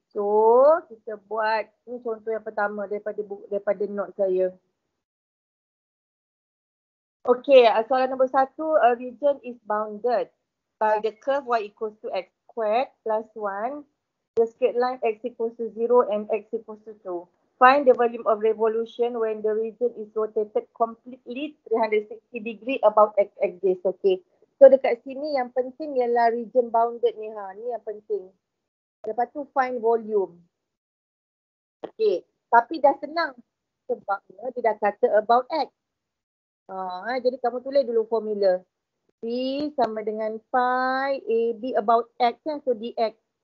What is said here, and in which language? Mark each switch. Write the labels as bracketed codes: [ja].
[ms] So kita buat ni contoh yang pertama daripada daripada note saya. Okay. Soalan nombor satu. [en] A region is bounded by the curve Y equals to X squared plus 1, the straight line x equals to 0 and x equals to 2. Find the volume of revolution when the region is rotated completely 360 degree about x axis. Okay. [ms] So dekat sini yang penting ialah region bounded ni. Ha. Ni yang penting. Lepas tu find volume. Okay. Tapi dah senang sebabnya dia dah kata about x. Jadi kamu tulis dulu formula. V sama dengan pi AB about X kan. So dx.